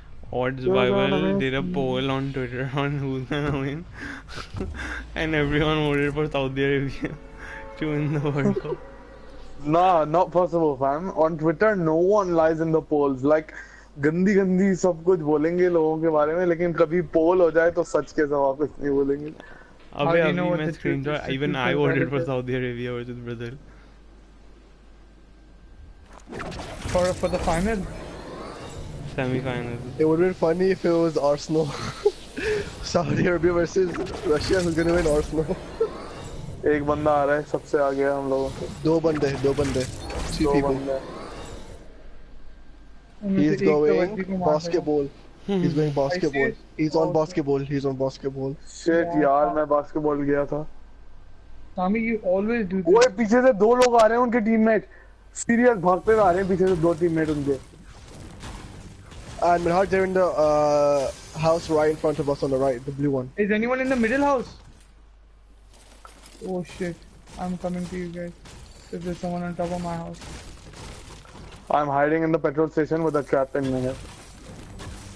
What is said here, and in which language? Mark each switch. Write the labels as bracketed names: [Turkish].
[English] Odds Bible did a poll on Twitter on who's gonna win, and everyone voted for Saudi Arabia to win the World Cup. Nah, not possible, fam. On Twitter, no one lies in the polls. [Hindi] Like, गंदी गंदी सब कुछ बोलेंगे लोगों के बारे में, लेकिन कभी पोल हो जाए तो सच के जवाब कुछ नहीं बोलेंगे. अबे अभी मैं screenshot, [English] even I voted for Saudi Arabia versus Brazil. For the final? Semi-final. It would be funny if it was Arsenal. Saudi Arabia versus Russia, who's gonna win Arsenal? [Hindi] एक बंदा आ रहा है सबसे आगे हम लोगों के। दो बंदे [English] two people. He is going basketball. He's going basketball. He's on basketball. He's on basketball. [Hindi] Shit यार मैं basketball गया था। [English] Sami you always do. [Hindi] वो पीछे से दो लोग आ रहे हैं उनके teammate. Serious भागते आ रहे हैं पीछे से दो teammate उनके। [English] And Mirhaj they're in the house right in front of us on the right, the blue one. Is anyone in the middle house? Oh shit, I'm coming to you guys. If there's someone on top of my house. I'm hiding in the petrol station with a trap in my head.